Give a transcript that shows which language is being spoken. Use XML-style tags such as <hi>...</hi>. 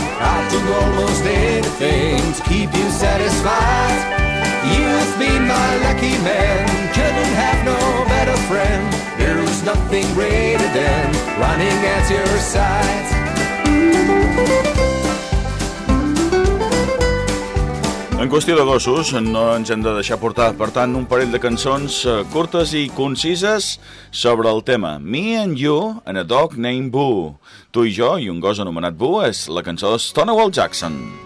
<en>I'd do almost anything to keep you satisfied. You've been my lucky man. Couldn't have no better friend. There's nothing greater than running at your side.</en> <ca>En qüestió de gossos, no ens hem de deixar portar. Per tant, un parell de cançons curtes i concises sobre el tema.</ca> <en>Me and You and a Dog Named Boo.</en> <ca>Tu i jo i un gos anomenat Boo és la cançó de Stonewall Jackson.</ca>